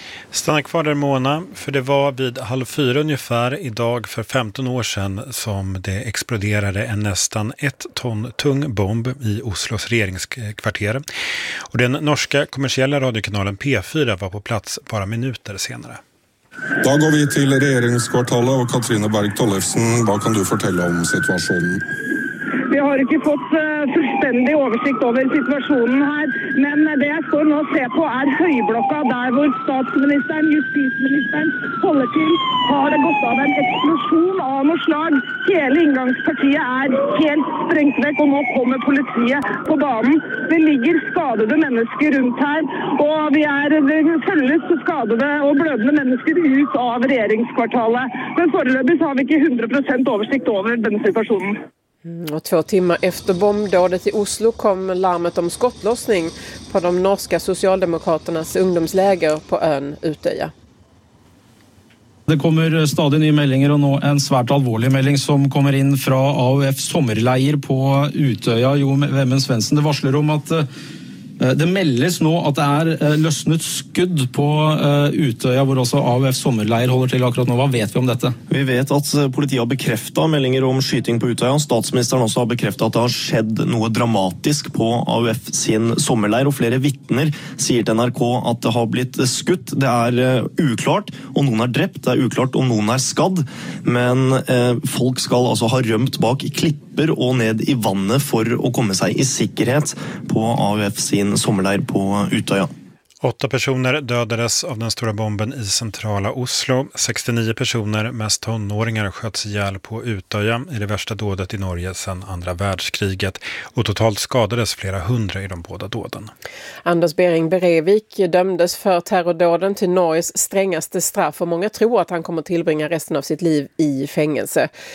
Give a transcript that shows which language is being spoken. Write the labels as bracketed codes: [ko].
[sv] Stanna kvar där, Mona, för det var vid 3:30 ungefär idag för 15 år sedan som det exploderade en nästan 1 ton tung bomb i Oslos regeringskvarter. Och den norska kommersiella radiokanalen P4 var på plats bara minuter senare. Då går vi till regeringskvartalet och Katrine Berg-Tollefsen, vad kan du fortälla om situationen? [no] Vi har ikke fått fullstendig oversikt over situasjonen her, men det jeg står nå og ser på er høyblokka der hvor statsministeren, justitsministeren holder til. Har det gått av en eksplosjon av noe slag? Hele inngangspartiet er helt sprengt vekk, og nå kommer politiet på banen. Det ligger skadede mennesker rundt her, og vi er følges skadede og blødende mennesker ut av regjeringskvartalet. Men foreløpig så har vi ikke 100% oversikt over den situasjonen. [sv] Och 2 timmar efter bombdådet i Oslo kom larmet om skottlossning på de norska socialdemokraternas ungdomsläger på ön Utøya. [no] Det kommer stadig nye meldinger, og nå en svært alvorlig melding som kommer inn fra AUF sommerleier på Utøya. Jo, Vemund Svendsen, det varsler om at det meldes nå at det er løsnet skudd på Utøya, hvor også AUF sommerleir holder til akkurat nå. Hva vet vi om dette? Vi vet at politiet har bekreftet meldinger om skyting på Utøya. Statsministeren også har bekreftet at det har skjedd noe dramatisk på AUF sin sommerleir, og flere vittner sier til NRK at det har blitt skutt. Det er uklart om noen er drept, det er uklart om noen er skadd, men folk skal altså ha rømt bak klipp og ned i vannet for å komme seg i sikkerhet på AUF sin sommerleir på Utøya. [sv] 8 personer dödades av den stora bomben i centrala Oslo. 69 personer, mest tonåringar, sköts ihjäl på Utøya i det värsta dådet i Norge sedan andra världskriget. Och totalt skadades flera hundra i de båda dåden. Anders Behring Breivik dömdes för terrordåden till Norges strängaste straff och många tror att han kommer tillbringa resten av sitt liv i fängelse.